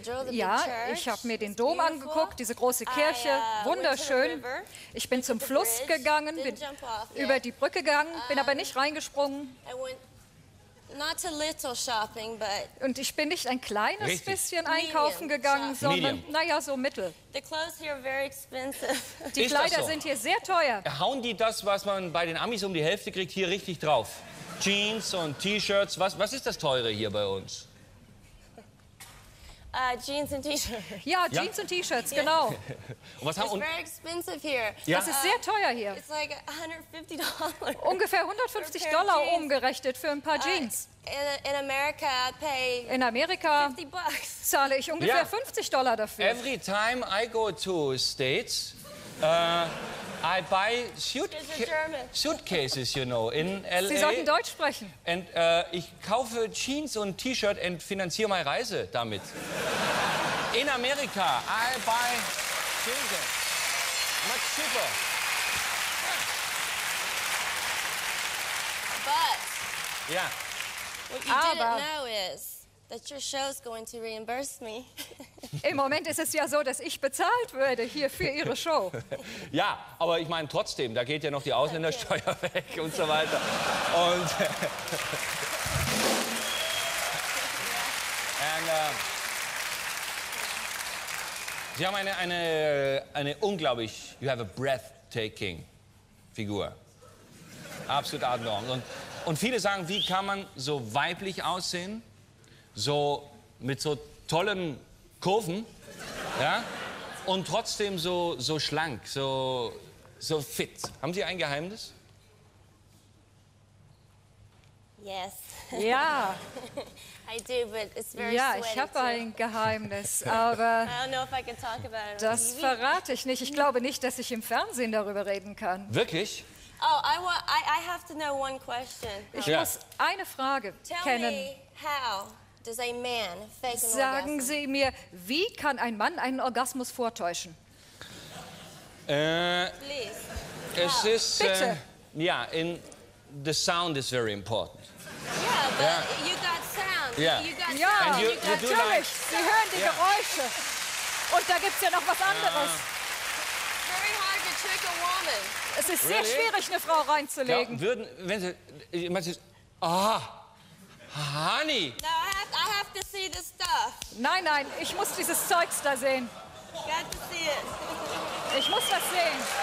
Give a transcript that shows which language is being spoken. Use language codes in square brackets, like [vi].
[de] Ja, ich habe mir den Dom angeguckt, diese große Kirche, wunderschön. Ich bin zum Fluss gegangen, bin über die Brücke gegangen, bin aber nicht reingesprungen. [en] Not a little shopping, but [de] und ich bin nicht ein kleines richtig. Bisschen einkaufen gegangen, sondern, naja, so mittel. [en] The clothes here are very expensive. [de] Die Kleider sind hier sehr teuer. Hauen die das, was man bei den Amis um die Hälfte kriegt, hier richtig drauf? Jeans und T-Shirts, was ist das Teure hier bei uns? [en] Jeans and T-Shirts. [de] Ja, Jeans und T-Shirts, genau. Und was haben, [en] it's very expensive here. [de] Ja. Das ist sehr teuer hier. [en] It's like $150. [de] Ungefähr 150 Dollar umgerechnet für ein paar Jeans. [en] In America, I pay [de] in Amerika [en] 50 bucks. [de] Zahle ich ungefähr 50 Dollar dafür. [en] Every time I go to States, I buy suitcases, you know, in L.A. [de] Sie sollten Deutsch sprechen. And ich kaufe Jeans und T-Shirt und finanziere meine Reise damit. [en] In Amerika, I buy Jeans. Much cheaper. But yeah. What you didn't know is that your show's going to reimburse me. [de] Im Moment ist es ja so, dass ich bezahlt würde hier für Ihre Show. Ja, aber ich meine trotzdem, da geht ja noch die Ausländersteuer weg und so weiter. Und Sie haben eine unglaublich, [en] you have a breathtaking [de] Figur. Absolut atemberaubend. Und viele sagen, wie kann man so weiblich aussehen? So mit so tollen Kurven, ja, und trotzdem so schlank, so fit. Haben Sie ein Geheimnis? [en] Yes. [de] Ja. [en] I do, but it's very sweaty. [de] Ja, ich habe ein Geheimnis, aber [en] I don't know if I can talk about it. [de] Das verrate ich nicht. Ich glaube nicht, dass ich im Fernsehen darüber reden kann. Wirklich? [en] Oh, I have to know one question. [de] Ich muss eine Frage kennen. [en] Tell me how. Does a man fake an orgasm? [de] Sagen Sie mir, wie kann ein Mann einen Orgasmus vortäuschen? Es ist bitte. [en] Ja, in the sound is very important. Yeah, but you got sound. Yeah. [de] Natürlich. Sie hören die Geräusche. Und da gibt's ja noch was anderes. [en] Very hard to trick a woman. [de] Es ist sehr schwierig, eine Frau reinzulegen. Würden, wenn Sie, meinst du, Honey. [en] I have to see the stuff. [de] Nein, ich muss dieses Zeugs da sehen. [en] Got to see it. [de] Ich muss das sehen.